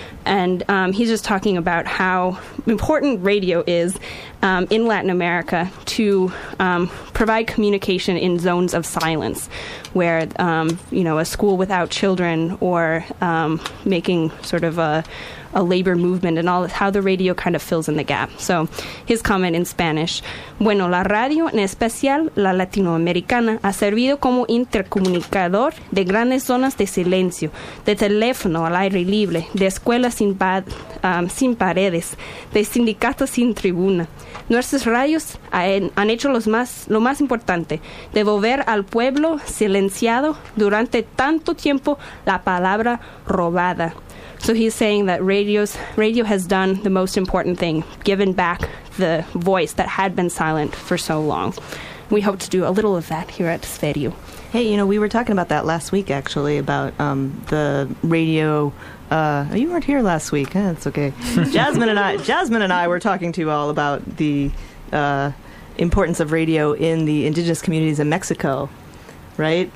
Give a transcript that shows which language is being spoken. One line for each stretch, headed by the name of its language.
English: And he's just talking about how important radio is in Latin America to provide communication in zones of silence, where, you know, a school without children or making sort of a labor movement and all of how the radio kind of fills in the gap. So his comment in Spanish.
Spanish: Bueno, la radio, en especial la latinoamericana, ha servido como intercomunicador de grandes zonas de silencio, de teléfono al aire libre, de escuelas sin paredes, de sindicatos sin tribuna. Nuestras radios han hecho lo más importante, devolver al pueblo silenciado durante tanto tiempo la palabra robada.
English: So he's saying that radio has done the most important thing, given back the voice that had been silent for so long. We hope to do a little of that here at Sferio. Hey, you know, we were talking about that last week, actually, about the radio. You weren't here last week. That's okay. Jasmine and I were talking to you all about the importance of radio in the indigenous communities in Mexico, right?